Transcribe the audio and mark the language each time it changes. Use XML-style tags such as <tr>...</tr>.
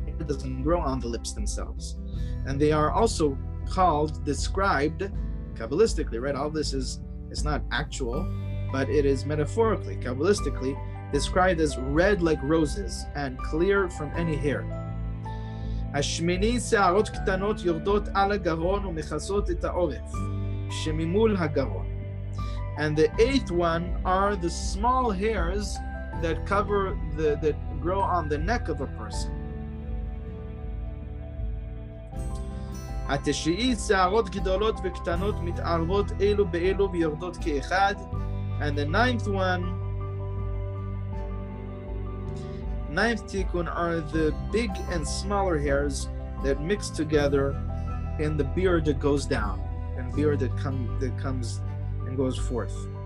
<en>It doesn't grow on the lips themselves. And they are also described Kabbalistically, right? All this is not actual, but it is metaphorically, Kabbalistically, described as red like roses and clear from any hair.</en> <he>השמיני שערות קטנות יורדות על הגרון ומחסות את העורף שממול הגרון.</he> <en>And the eighth one are the small hairs that cover that grow on the neck of a person.</en> <he>התשיעי שערות גדולות וקטנות מתערבות אלו באלו ויורדות כאחד.</he> <en>And the ninth tikkun are the big and smaller hairs that mix together in the beard that goes down, and beard that comes and goes forth.</en>